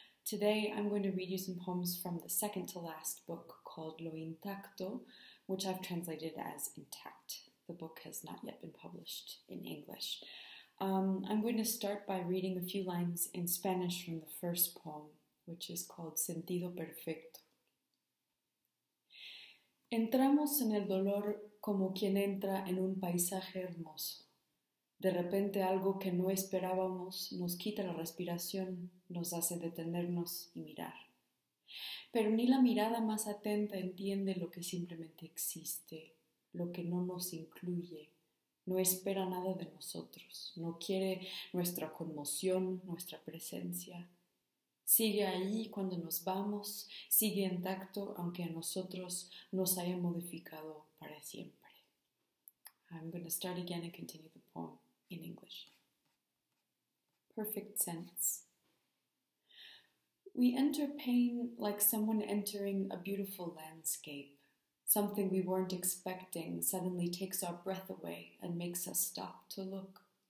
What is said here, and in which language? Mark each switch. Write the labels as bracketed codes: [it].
[en] Today, I'm going to read you some poems from the second to last book called Lo Intacto, which I've translated as Intact. The book has not yet been published in English. I'm going to start by reading a few lines in Spanish from the first poem, which is called Sentido Perfecto. [es] Entramos en el dolor como quien entra en un paisaje hermoso. De repente algo que no esperábamos nos quita la respiración, nos hace detenernos y mirar. Pero ni la mirada más atenta entiende lo que simplemente existe. Lo que no nos incluye, no espera nada de nosotros, no quiere nuestra conmoción, nuestra presencia. Sigue ahí cuando nos vamos, sigue intacto, aunque a nosotros nos haya modificado para siempre. [en] I'm going to start again and continue the poem in English. Perfect sense. We enter pain like someone entering a beautiful landscape. Something we weren't expecting suddenly takes our breath away and makes us stop to look.